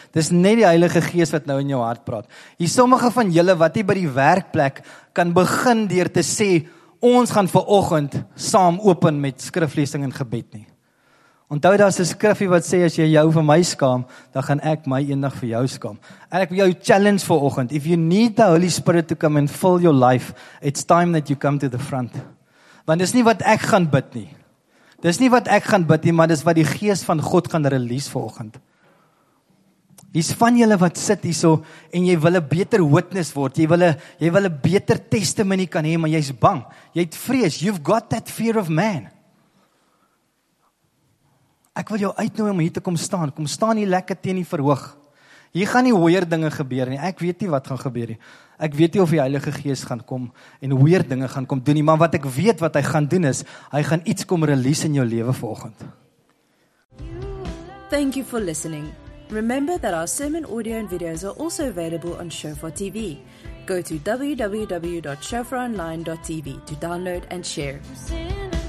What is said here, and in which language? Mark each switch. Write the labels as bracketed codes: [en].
[af] Dis net die Heilige Gees wat nou in jou hart praat. Hier sommige van julle wat hier by die werkplek kan begin deur te sê, ons gaan vanoggend saam open met skriflesing en gebed nie. Onthou daar's 'n skrifgie wat sê as jy jou vir my skaam, dan gaan ek my eendag vir jou skaam. En ek wil jou challenge vanoggend. [en] If you need the Holy Spirit to come and fill your life, it's time that you come to the front. [af] Want dis nie wat ek gaan bid nie. Dis nie wat ek gaan bid nie, maar dis wat die Gees van God gaan release vanoggend. Hier's van julle wat sit hierso en jy wil 'n beter witness word. Jy wil 'n beter testimony kan hê, maar jy's bang. Jy het vrees. [en] You've got that fear of man. [af] Ek wil jou uitnooi om hier te kom staan. Kom staan hier lekker teen die verhoog. Hier gaan nie hoër dinge gebeur nie. Ek weet nie wat gaan gebeur nie. Ek weet nie of die Heilige Gees gaan kom en hoër dinge gaan kom doen nie, maar wat ek weet wat hy gaan doen is, hy gaan iets kom release in jou lewe vanoggend. [en] Thank you for listening. Remember that our sermon audio and videos are also available on Shofar TV. Go to www.shofaronline.tv to download and share.